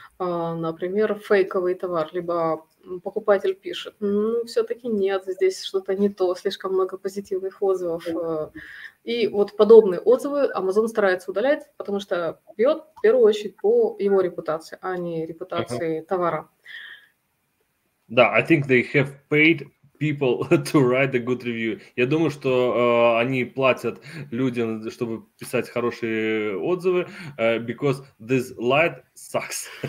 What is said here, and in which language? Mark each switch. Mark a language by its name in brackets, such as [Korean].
[Russian] Например, фейковый товар, либо покупатель пишет, все-таки нет, здесь что-то не то, слишком много позитивных отзывов. И вот подобные отзывы Amazon старается удалять, потому что бьет в первую очередь по его репутации, а не репутации товара. [English] Да, I think they have paid people to write a good review. [Russian] Я думаю, что они платят людям, чтобы писать хорошие отзывы, [English] because this light sucks.